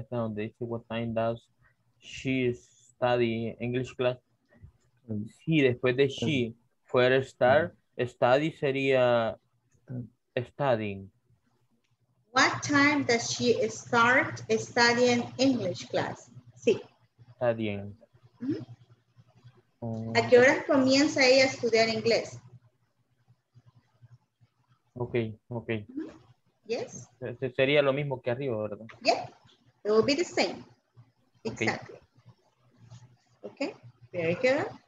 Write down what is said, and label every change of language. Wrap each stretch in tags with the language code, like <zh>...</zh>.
<es>Esta donde dice,</es> <en>what time does she study English class?</en> <es>Sí, después de she, fuera estar, study sería studying.</es> <en>What time does she start studying English class?</en> <es>Sí.</es> <en>Studying. Mm-hmm.</en> <es>¿A qué hora comienza ella a estudiar inglés?</es> <en>Ok, ok. Yes.</en> <es>Sería lo mismo que arriba, ¿verdad?</es> <en>Yep. It will be the same. Exactly. Okay. Okay. Very good.</en>